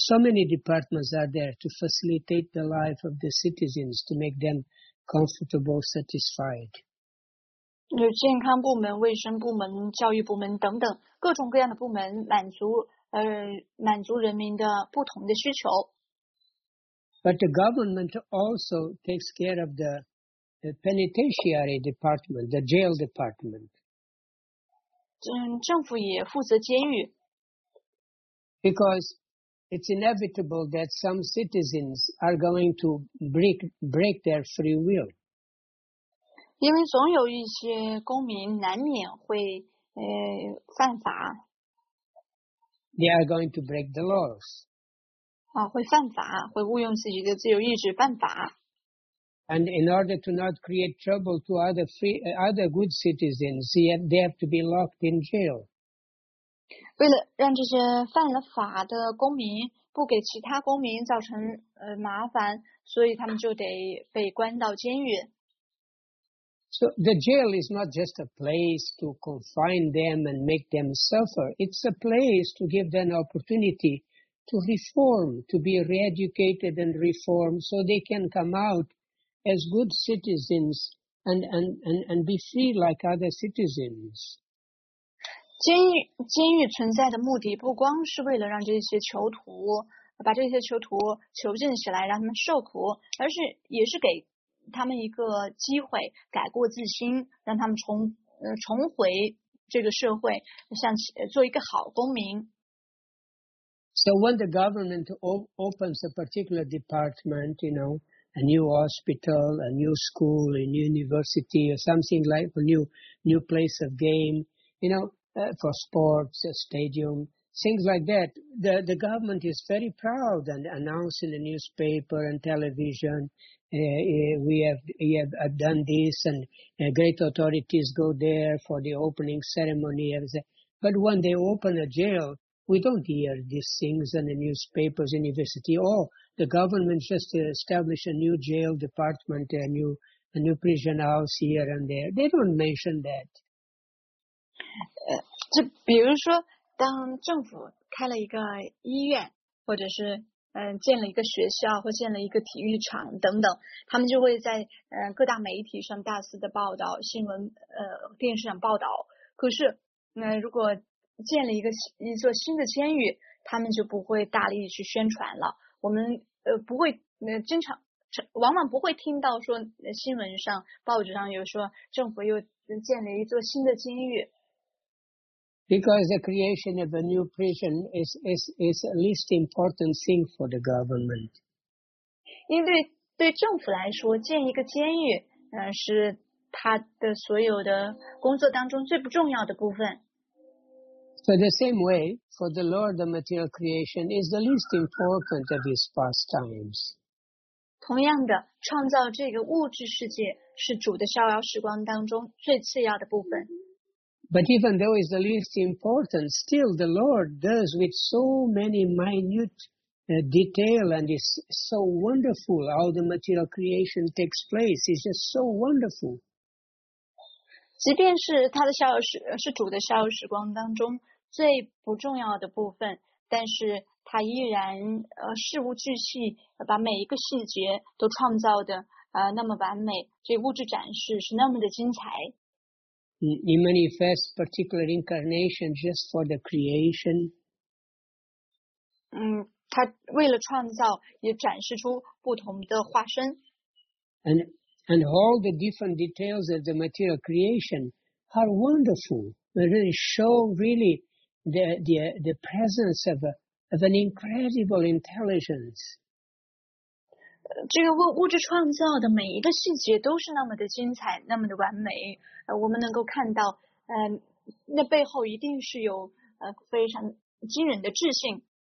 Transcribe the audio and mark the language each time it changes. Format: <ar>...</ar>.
<en>So many departments are there to facilitate the life of the citizens to make them. Comfortable, satisfied.</en> <zh>有健康部门、卫生部门、教育部门等等各种各样的部门，满足人民的不同的需求。</zh> <en>But the government also takes care of the penitentiary department, the jail department.</en> <zh>政府也负责监狱。</zh> <en>Because. It's inevitable that some citizens are going to break their free will.</en> <zh>因为总有一些公民难免会犯法。</zh> <en>They are going to break the laws.</en> <zh>会犯法，会误用自己的自由意志犯法。</zh> <en>And in order to not create trouble to other good citizens, they have to be locked in jail.</en> <zh>为了让这些犯了法的公民不给其他公民造成麻烦，所以他们就得被关到监狱。</zh> <en>So the jail is not just a place to confine them and make them suffer. It's a place to give them opportunity to reform, to be re-educated and reformed so they can come out as good citizens and be free like other citizens.</en> <zh>监狱存在的目的不光是为了让这些囚徒把这些囚徒囚禁起来让他们受苦，而是也是给他们一个机会改过自新，让他们重回这个社会，像做一个好公民。</zh> <en>So when the government opens a particular department, you know, a new hospital, a new school, a new university, or something like a new place of game, you know, for sports, a stadium, things like that, the government is very proud and announces in the newspaper and television, we have done this, and great authorities go there for the opening ceremony. But when they open a jail, we don't hear these things in the newspapers, university. Oh, the government just established a new jail department, a new prison house here and there. They don't mention that.</en> <zh>就比如说，当政府开了一个医院，或者是建了一个学校，或建了一个体育场等等，他们就会在各大媒体上大肆的报道，新闻电视上报道。可是如果建了一座新的监狱，他们就不会大力去宣传了。我们不会经常往往不会听到说新闻上报纸上有说政府又建了一座新的监狱。</zh> <en>Because the creation of a new prison is the least important thing for the government.</en> <zh>因为对政府来说，建一个监狱是他的所有的工作当中最不重要的部分。</zh> <en>So the same way, for the Lord, the material creation is the least important of his pastimes.</en> <zh>同样的，创造这个物质世界是主的逍遥时光当中最次要的部分。</zh> <en>But even though it's the least important, still the Lord does with so many minute detail and is so wonderful how the material creation takes place. It's just so wonderful.</en> <zh>即便是他的逍遥时是主的逍遥时光当中最不重要的部分，但是他依然事无巨细，把每一个细节都创造的那么完美，这物质展示是那么的精彩。</zh> <en>He manifests particular incarnation just for the creation.</en> <zh>他为了创造也展示出不同的化身。</zh> <en>And all the different details of the material creation are wonderful. They really show really the presence of an incredible intelligence.</en> <zh>这个物质创造的每一个细节都是那么的精彩，那么的完美。我们能够看到，那背后一定是有非常惊人的智性。</zh>